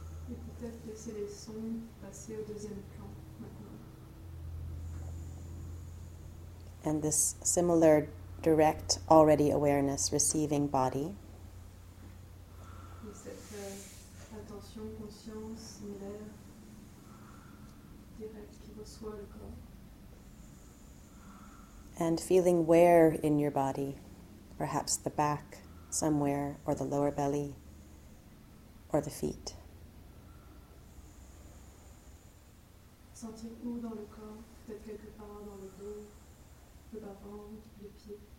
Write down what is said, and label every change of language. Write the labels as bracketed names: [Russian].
[French] Et peut-être laisser les sons passer au deuxième plan maintenant. [English] And this similar direct already awareness receiving body. [French] Et cette attention, conscience similaire, directe qui reçoit le corps. [English] And feeling where in your body. Perhaps the back somewhere, or the lower belly, or the feet. [French] Sentir où dans le corps, peut-être quelque part dans le dos, le bas-ventre, les pieds.